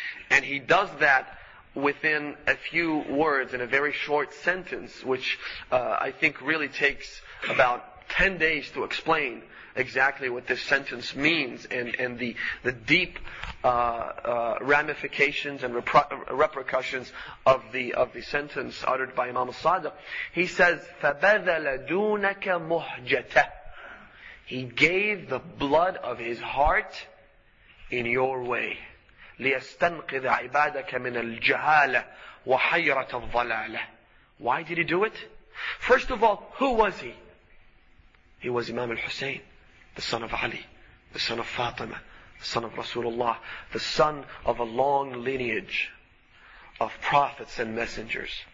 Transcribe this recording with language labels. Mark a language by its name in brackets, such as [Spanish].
[English] And he does that within a few words, in a very short sentence, which I think really takes about 10 days to explain exactly what this sentence means and the deep ramifications and repercussions of the sentence uttered by Imam al-Sadiq. He says, [Arabic] فَبَذَلَ دُونَكَ مُحْجَتَ. [English] He gave the blood of his heart in your way. [Arabic] لِيَسْتَنْقِذَ عِبَادَكَ مِنَ الْجَهَالَ وَحَيْرَةَ الظَّلَالَ. [English] Why did he do it? First of all, who was he? He was Imam al-Hussein, the son of Ali, the son of Fatima, the son of Rasulullah, the son of a long lineage of prophets and messengers.